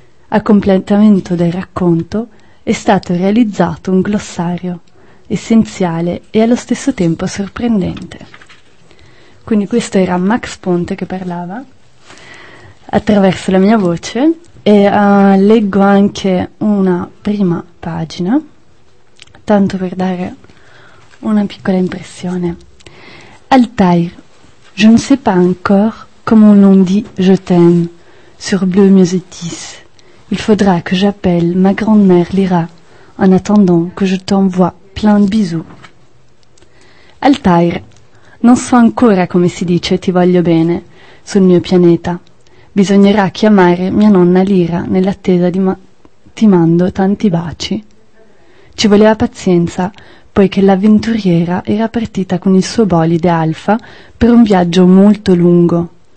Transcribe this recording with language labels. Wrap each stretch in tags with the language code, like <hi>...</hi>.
<it>A completamento del racconto è stato realizzato un glossario essenziale e allo stesso tempo sorprendente. Quindi questo era Max Ponte che parlava attraverso la mia voce, e leggo anche una prima pagina, tanto per dare una piccola impressione.</it> <fr>Altair, je ne sais pas encore comment l'on dit je t'aime sur Plumiosotis. Il faudra que j'appelle ma grand-mère Lyra en attendant que je t'envoie plein de bisous.</fr> <it>Altair, non so ancora come si dice ti voglio bene sul mio pianeta. Bisognerà chiamare mia nonna Lyra nell'attesa di ti mando tanti baci. Ci voleva pazienza, poiché l'avventuriera era partita con il suo bolide Alfa per un viaggio molto lungo.</it>